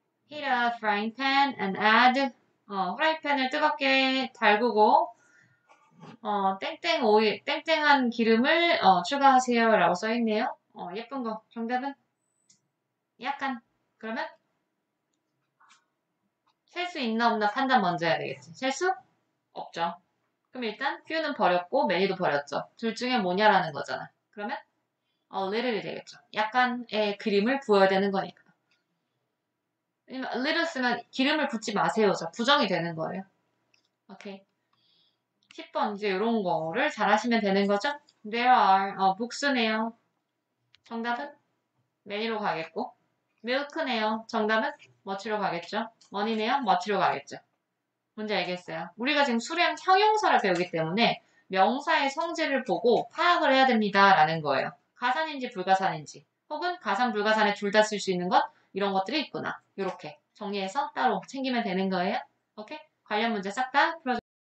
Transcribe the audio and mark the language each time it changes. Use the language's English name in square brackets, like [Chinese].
[English] Heat a frying pan and add. [Korean] 후라이팬을 뜨겁게 달구고, 땡땡 오일, 땡땡한 기름을 추가하세요라고 써있네요. 예쁜 거. 정답은? 약간. 그러면? 셀수 있나 없나 판단 먼저 해야 되겠지. 셀 수? 없죠. 그럼 일단 퓨는 버렸고 매니도 버렸죠. 둘 중에 뭐냐라는 거잖아. 그러면? A little이 되겠죠. 약간의 그림을 부어야 되는 거니까. A little 쓰면 기름을 붓지 마세요죠. 부정이 되는 거예요. 오케이. 10번 이제 이런 거를 잘하시면 되는 거죠? There are books네요. 정답은 many로 가겠고 milk네요. 정답은 much로 가겠죠. money네요. much로 가겠죠. 뭔지 알겠어요? 우리가 지금 수량 형용사를 배우기 때문에 명사의 성질을 보고 파악을 해야 됩니다라는 거예요. 가산인지 불가산인지 혹은 가산 불가산에 둘다쓸수 있는 것 이런 것들이 있구나. 이렇게 정리해서 따로 챙기면 되는 거예요. 오케이? 관련 문제 싹다 풀어줬습니다.